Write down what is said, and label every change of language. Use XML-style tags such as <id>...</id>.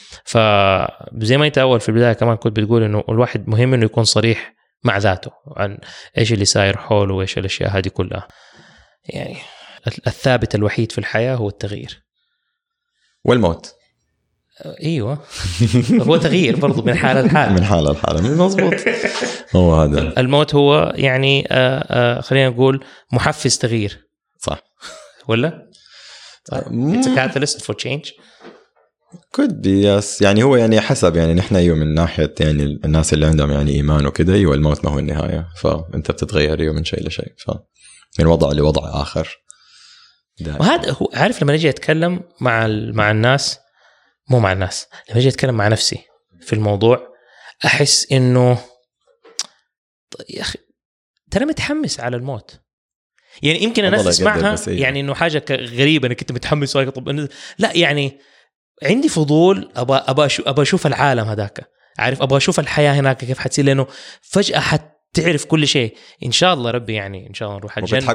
<ar>فزي ما أنت أول في البداية كمان كنت بتقول إنه الواحد مهم إنه يكون صريح مع ذاته عن إيش اللي ساير حوله وإيش الأشياء هذه كلها. يعني الثابت الوحيد في الحياة هو التغيير والموت. إيوة هو تغيير برضو من حالة لحالة من حالة لحالة مظبوط، هو هذا الموت هو يعني خلينا نقول محفز تغيير صح ولا</ar> <en>It's a catalyst for change. could be yes.</en> <ar>يعني هو يعني حسب يعني نحن يوم من ناحية يعني الناس اللي عندهم يعني إيمان وكده أيوة الموت ما هو النهاية فأنت بتتغير يوم من شيء لشيء فمن وضع لوضع آخر. وهذا عارف لما نجي أتكلم مع الناس مو مع الناس لما نجي أتكلم مع نفسي في الموضوع أحس إنه يا أخي ترى متحمس على الموت يعني يمكن الناس تسمعها يعني إنه حاجة غريبة إنك أنت متحمس وياك طب لا يعني عندي فضول أبا أشوف العالم هذاك عارف أبا أشوف الحياة هناك كيف حتصير لأنه فجأة حتعرف كل شيء إن شاء الله ربي يعني إن شاء الله نروح الجنة</ar>